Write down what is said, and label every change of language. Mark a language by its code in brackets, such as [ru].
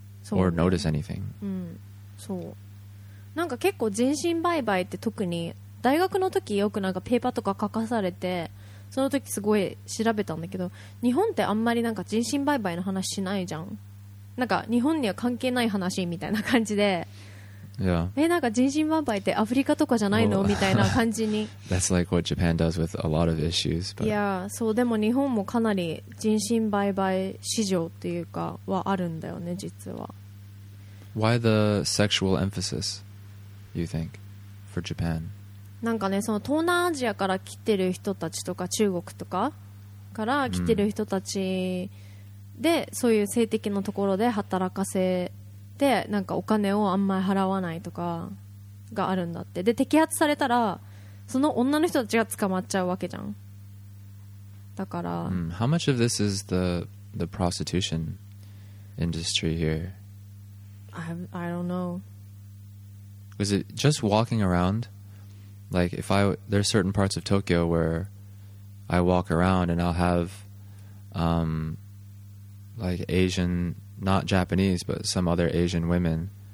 [en] Or notice anything. [ja] So, なんか結構人身売買って特に大学の時よくなんかペーパーとか書かされて、その時すごい調べたんだけど、日本ってあんまりなんか人身売買の話しないじゃん。なんか日本には関係ない話みたいな感じで。 [en] Yeah. [ja] なんか人身売買ってアフリカとかじゃないの、well, みたいな感じに。 [en] That's like what Japan does with a lot of issues. But... [ja] Yeah, そう、でも日本もかなり人身売買市場っていうかはあるんだよね、実は。 [en] Why the sexual emphasis, you think, for Japan? [ja] なんかね、その東南アジアから来てる人たちとか中国とかから来てる人たちで、そういう性的なところで働かせでなんかお金をあんまり払わないとかがあるんだって。で、摘発されたらその女の人たちが捕まっちゃうわけじゃん。だから、 [en] How much of this is the prostitution industry here? I don't know. Was it just walking around? Like if I there's certain parts of Tokyo where I walk around and I'll have like Asian, not Japanese, but some other Asian women